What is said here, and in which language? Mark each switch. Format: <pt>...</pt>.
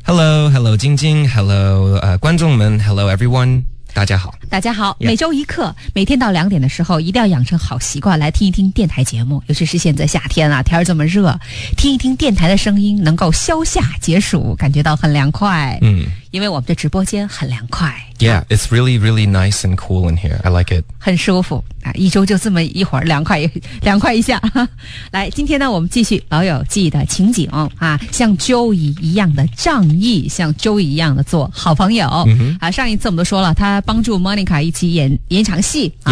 <en>Hello, hello 晶晶 Hello,</en> <zh>观众们</zh> <en>Hello everyone,</en> <zh>大家好，大家好、yeah. 每周一课，每天到2点的时候一定要养成好习惯，来听一听电台节目，尤其是现在夏天啊，天这么热，听一听电台的声音能够消夏解暑，感觉到很凉快。嗯，因为我们的直播间很凉快。</zh> <en>Yeah, it's really, really nice and cool in here. I like it.</en> <zh>很舒服啊，一周就这么一会儿凉快，凉快一下。来，今天呢，我们继续老友记的情景啊，像 Joey 一样的仗义，像 Joey 一样的做好朋友、 mm-hmm. 啊。上一次我们都说了，他帮助 Monica 一起演场戏、啊。</zh>